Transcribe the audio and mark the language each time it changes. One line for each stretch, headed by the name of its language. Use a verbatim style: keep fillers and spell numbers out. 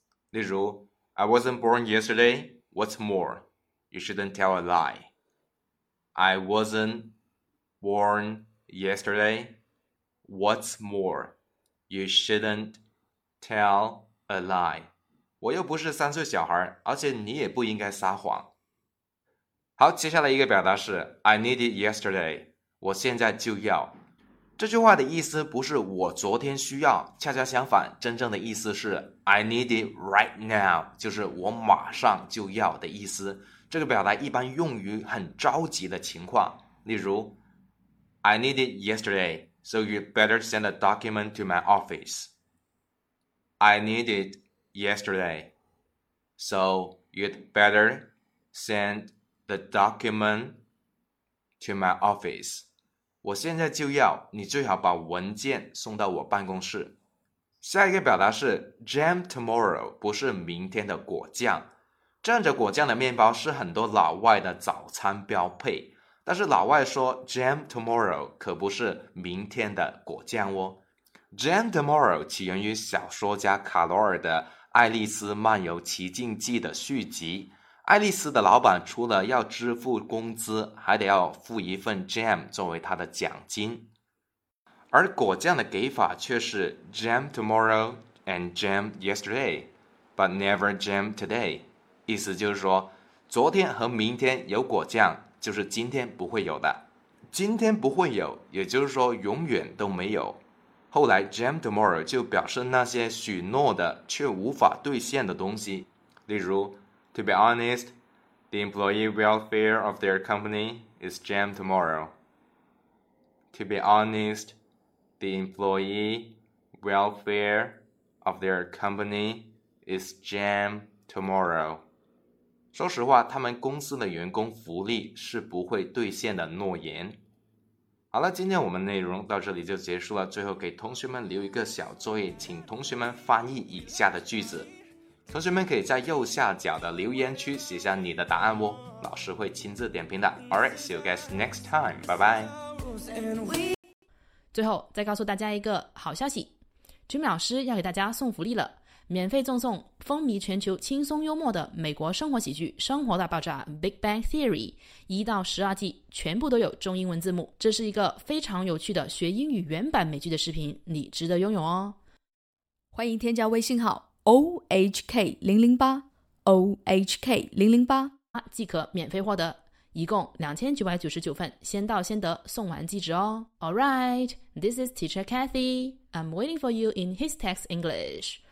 English: 例如 I wasn't born yesterday. What's more, you shouldn't tell a lie. I wasn't born yesterday. What's more, you shouldn't tell a lie.
Chinese: 我又不是三岁小孩，而且你也不应该撒谎。好，接下来一个表达是
English: I need it yesterday.
Chinese: 我现在就要。这句话的意思不是我昨天需要，恰恰相反，真正的意思是
English: I need it right now，
Chinese: 就是我马上就要的意思。这个表达一般用于很着急的情况，例如
English: I need it yesterday, so you better send a document to my office. I need it yesterday, so you'd better send the document to my office.
Chinese: 我现在就要，你最好把文件送到我办公室。下一个表达是
English: jam tomorrow，
Chinese: 不是明天的果酱。蘸着果酱的面包是很多老外的早餐标配，但是老外说
English: jam tomorrow
Chinese: 可不是明天的果酱哦。
English: jam tomorrow
Chinese: 起源于小说家卡罗尔的《爱丽丝漫游奇境记》的续集。爱丽丝的老板除了要支付工资，还得要付一份 jam 作为她的奖金，而果酱的给法却是
English: jam tomorrow and jam yesterday, but never jam today。
Chinese: 意思就是说，昨天和明天有果酱，就是今天不会有的，今天不会有，也就是说永远都没有。后来 jam tomorrow 就表示那些许诺的却无法兑现的东西，例如
English: To be honest, the employee welfare of their company is jammed tomorrow. To be honest, the employee welfare of their company is jammed tomorrow.
Chinese: 说实话，他们公司的员工福利是不会兑现的诺言。好了，今天我们内容到这里就结束了。最后给同学们留一个小作业，请同学们翻译以下的句子。同学们可以在右下角的留言区写下你的答案哦，老师会亲自点评的。
English: Alright, see you guys next time. Bye bye.
Chinese: 最后再告诉大家一个好消息，Jimmy老师要给大家送福利了。免费赠送风靡全球轻松幽默的美国生活喜剧《生活大爆炸》 Big Bang Theory 一到十二季全部都有中英文字幕，这是一个非常有趣的学英语原版美剧的视频，你值得拥有哦。欢迎添加微信号 O H K 零零八 O H K 零零八即可免费获得，一共两千九百九十九份，先到先得，送完即止哦。
English: Alright, this is Teacher Cathy. I'm waiting for you in His Text English.